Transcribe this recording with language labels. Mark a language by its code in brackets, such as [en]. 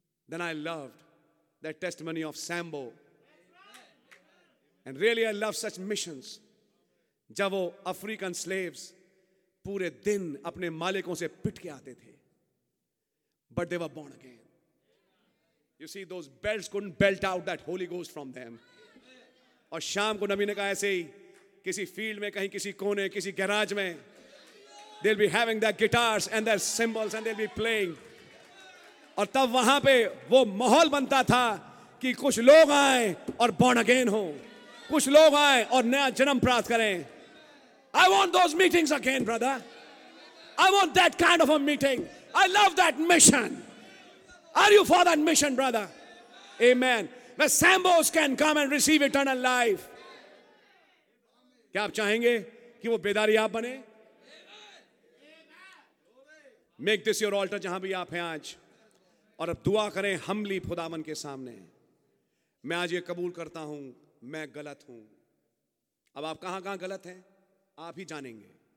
[en] Then I loved that testimony of Sambo and really I love such missions. [hi] जब वो African slaves पूरे दिन अपने मालिकों से पिट के आते थे, [en] but they were born again. You see, those belts couldn't belt out that Holy Ghost from them. [hi] और शाम को नबी ने कहा ऐसे ही किसी फील्ड में, कहीं किसी कोने, किसी गैराज में, [en] they'll be having their guitars and their cymbals and they'll be playing. [hi] और तब वहां पे वो माहौल बनता था कि कुछ लोग आए और [en] born again [hi] हो, कुछ लोग आए और नया जन्म प्राप्त करें. [en] I want those meetings again, brother. I want that kind of a meeting. I love that mission. Are you for that mission, brother? Amen. Where Sambos can come and receive eternal life. [hi] क्या आप चाहेंगे कि वो बेदारी आप बने? [en] Make this your altar [hi] जहां भी आप हैं आज. और अब दुआ करें हमली खुदावन के सामने. मैं आज ये कबूल करता हूं मैं गलत हूं. अब आप कहां कहां गलत हैं आप ही जानेंगे.